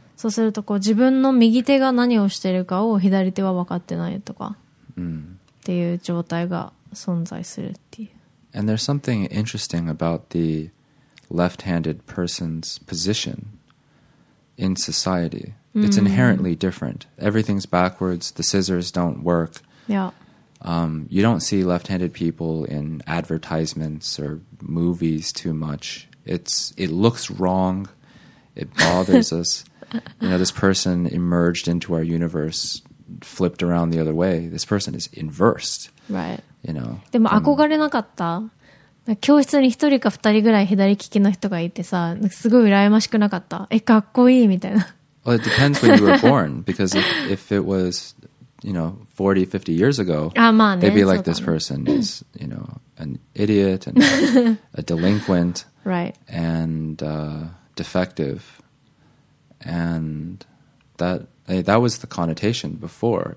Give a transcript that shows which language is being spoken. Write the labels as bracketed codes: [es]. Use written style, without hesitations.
[ja] そうするとこう自分の右手が何をしてるかを左手は分かってないとか、っていう状態が存在するっていう。 [en] And there's something interesting about the left-handed person's position in society. It's inherently different. Everything's backwards. The scissors don't work. You don't see left-handed people in advertisements or movies too much. It looks wrong. It bothers us. You know, this person emerged into our universe, flipped around the other way. This person is inversed. Right. You know. [ja] でも憧れなかった。教室に一人か二人ぐらい左利きの人がいてさ、すごい羨ましくなかった。え、かっこいいみたいな。 [en] Well, it depends when you were born, because if it was, you know, 40, 50 years ago, they'd be like, this person is, you know, an idiot and a delinquent and defective. And that was the connotation before.